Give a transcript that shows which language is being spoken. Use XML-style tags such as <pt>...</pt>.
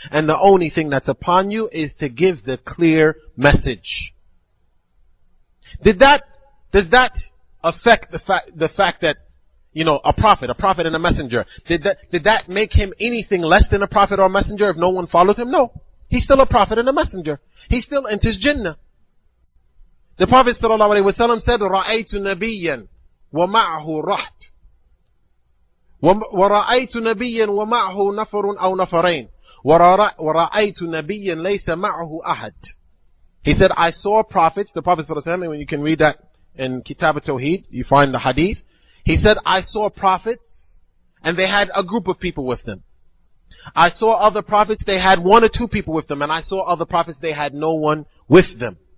<en>And the only thing that's upon you is to give the clear message. Does that affect the fact that, you know, a prophet and a messenger, did that make him anything less than a prophet or a messenger if no one followed him? No. He's still a prophet and a messenger. He still enters Jannah. The Prophet sallallahu alaihi wasallam said,</en> <ar>رَأَيْتُ نَبِيًّا وَمَعْهُ رَحْتْ وَرَأَيْتُ نَبِيًّا وَمَعْهُ نَفَرٌ أَوْ نَفَرَيْنَ وَرَأَيْتُ نَبِيًّا لَيْسَ مَعْهُ أَحَدٌ.</ar> <en>He said, I saw prophets, the Prophet sallallahu alaihi wasallam, you can read that in Kitab al-Tawheed, you find the hadith. He said, I saw prophets, and they had a group of people with them. I saw other prophets, they had one or two people with them, and I saw other prophets, they had no one with them.</en>